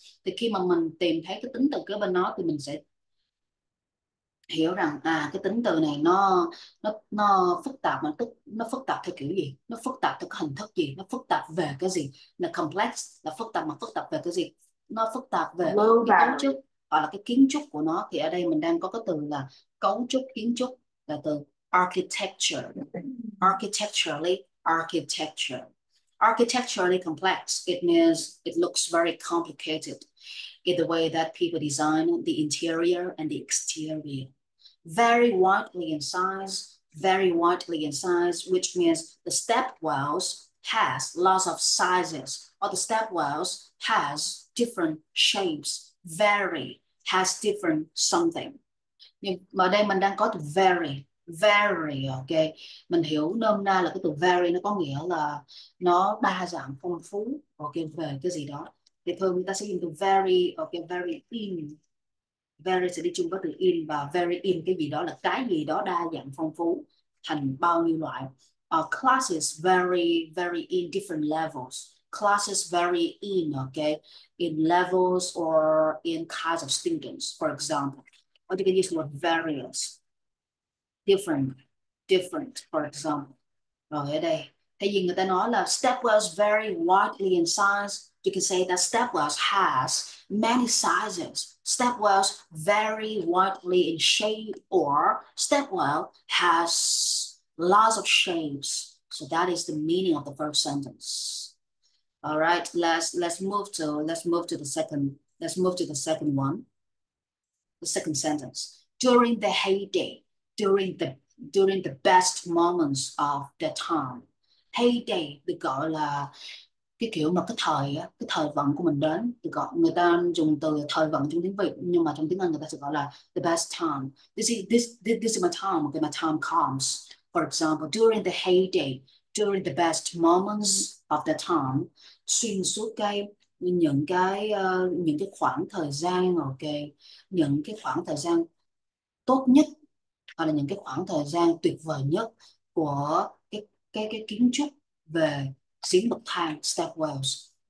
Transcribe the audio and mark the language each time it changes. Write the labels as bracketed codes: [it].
[vi] Thì khi mà mình tìm thấy cái tính từ kế bên nó thì mình sẽ hiểu rằng à, cái tính từ này nó phức tạp, mà nó phức tạp theo kiểu gì, nó phức tạp theo cái hình thức gì, nó phức tạp về cái gì, là complex là phức tạp, mà phức tạp về cái gì, nó phức tạp về cái cấu trúc hoặc là cái kiến trúc của nó. Thì ở đây mình đang có cái từ là cấu trúc kiến trúc, là từ architecture, architecturally complex. [en] It means it looks very complicated in the way that people design the interior and the exterior. Very widely in size, vary widely in size, which means the stepwells has lots of sizes, or the stepwells has different shapes, vary, has different something. [vi] Nhưng mà đây mình đang có từ vary, vary, ok? Mình hiểu nôm na là cái từ vary nó có nghĩa là nó đa dạng, phong phú, ok, về cái gì đó. Thì thường người ta sẽ dùng từ vary, ok, vary in. Vary sẽ đi chung có từ in và vary in cái gì đó là cái gì đó đa dạng, phong phú, thành bao nhiêu loại. [en] Classes vary, vary in different levels. Classes vary in, okay, in levels or in kinds of students, for example. Or you can use the word various, different, different, for example. Rồi ở đây, thế nhưng người ta nói là stepwells vary widely in size. You can say that stepwells has many sizes. Stepwells vary widely in shape, or stepwell has lots of shapes. So that is the meaning of the first sentence. All right, let's move to the second one. The second sentence. During the heyday, during the best moments of the time. [vi] Heyday được gọi là cái kiểu mà cái thời vận của mình đến, được gọi, người ta dùng từ thời vận trong tiếng Việt nhưng mà trong tiếng Anh người ta sẽ gọi là [en] the best time. This is my time, okay, my time comes. For example, during the heyday, during the best moments of the time, [vi] xuyên suốt cái những cái khoảng thời gian, ok, những cái khoảng thời gian tốt nhất hoặc là những cái khoảng thời gian tuyệt vời nhất của cái kiến trúc về giếng bậc thang stepwells.